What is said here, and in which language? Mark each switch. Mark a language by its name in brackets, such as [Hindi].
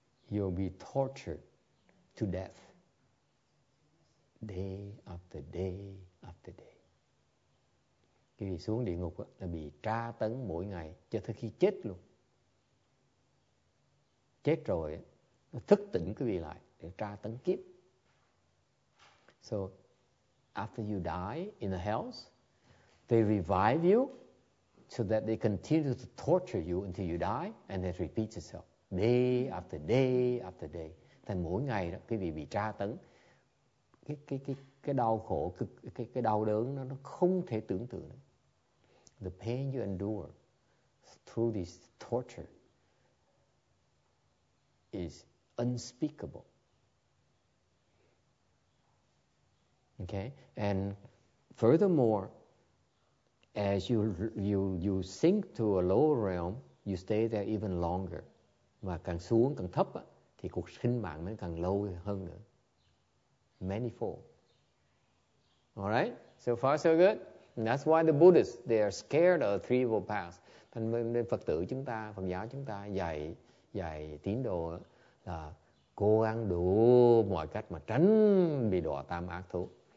[English] You'll be tortured to death day after day after day. [Vietnamese] Khi đi xuống địa ngục là bị tra tấn mỗi ngày cho tới khi chết luôn. Chết rồi nó thức tỉnh quý vị lại để tra tấn kiếp. [English] So after you die in the hells, they revive you so that they continue to torture you until you die and it repeats itself. Day after day after day. [Vietnamese] Thành mỗi ngày đó, quý vị bị tra tấn. Cái đau khổ, cái đau đớn nó không thể tưởng tượng. [English] the pain you endure through this torture is unspeakable. Okay? And furthermore, as you sink to a lower realm, you stay there even longer. [Vietnamese] Mà càng xuống càng thấp á, thì cuộc sinh mạng nó càng lâu hơn nữa. [English] Manifold. Alright? So far so good? And that's why the Buddhists, they are scared of three evil paths. [Vietnamese] Thành nên Phật tử chúng ta, Phật giáo chúng ta dạy tín đồ là cố gắng đủ mọi cách mà tránh bị đọa tam ác thú.